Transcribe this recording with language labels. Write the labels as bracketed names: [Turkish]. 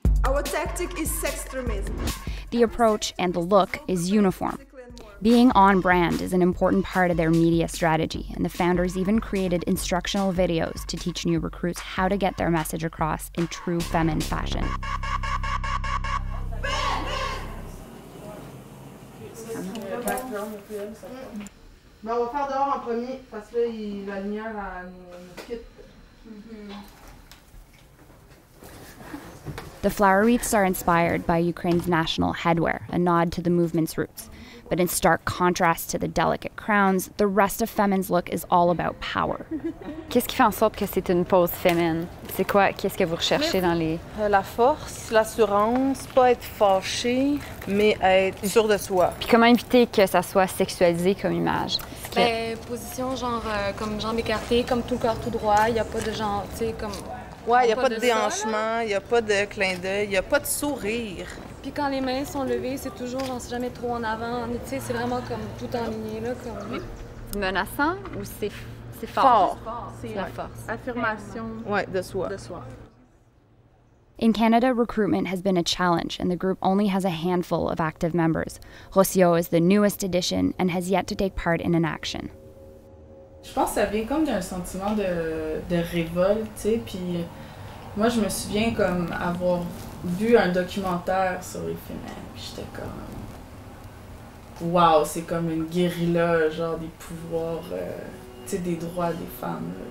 [English] our tactic is sextremism. The approach and the look is uniform. Being on brand is an important part of their media strategy, and the founders even created instructional videos to teach new recruits how to get their message across in true FEMEN fashion. [French] Ben, on va faire dehors en premier, parce que là, la lumière nous quitte. [English] The flower wreaths are inspired by Ukraine's national headwear, a nod to the movement's roots. But in stark contrast to the delicate crowns, the rest of FEMEN's look is all about power. [French] Qu'est-ce qui fait en sorte que c'est une pose FEMEN? C'est quoi? Qu'est-ce que vous recherchez dans les... La force, l'assurance, pas être fâché, mais être sûr de soi. Puis comment éviter que ça soit sexualisé comme image? Ben, position genre comme jambes écartées, comme tout le corps tout droit, il n'y a pas de genre, tu sais, comme... Ouais, il n'y a pas de déhanchement, il n'y a pas de clin d'œil, il n'y a pas de sourire. Puis quand les mains sont levées, c'est toujours, j'en sais jamais trop en avant. Tu sais, c'est vraiment comme tout en ligne, là, comme... Menaçant ou c'est fort? Fort. C'est la force. Affirmation. Ouais, de soi. De soi. [English] In Canada, recruitment has been a challenge, and the group only has a handful of active members. Rocio is the newest addition and has yet to take part in an action. [French] Je pense que ça vient comme d'un sentiment de révolte, tu sais. Puis moi, je me souviens comme avoir vu un documentaire sur les femmes. Puis j'étais comme, waouh, c'est comme une guérilla, genre des pouvoirs, tu sais, des droits des femmes. Là.